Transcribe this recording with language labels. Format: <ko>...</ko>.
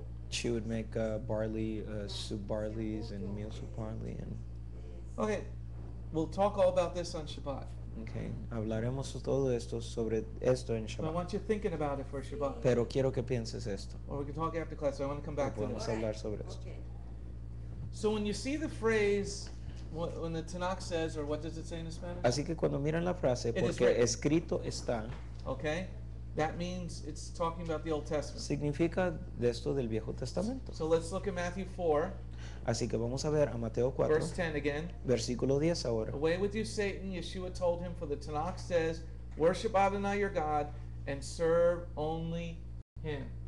<en>She would make barley soup, barleys, and meal soup, barley, and. Okay, we'll talk all about this on Shabbat.</en> <es>Okay, hablaremos todo esto sobre esto en Shabbat.</es> <en>But I want you thinking about it for Shabbat.</en> <es>Pero quiero que pienses esto.</es> <en>Or we can talk after class. So I want to come back to this.</en> <es>Podemos hablar sobre esto.</es> <en>So when you see the phrase, when the Tanakh says, or what does it say in Spanish?</en> <es>Así que cuando miran la frase, porque escrito está.</es> <en>Okay. That means it's talking about the Old Testament.</en> <es>Significa de esto del Viejo Testamento.</es> <en>So let's look at Matthew 4.</en> <es>Así que vamos a ver a Mateo 4.</es> <en>Verse 10 again.</en> <es>Versículo 10 ahora.</es> <en>Away with you, Satan, Yeshua told him, for the Tanakh says, worship Adonai your God and serve only him.</en>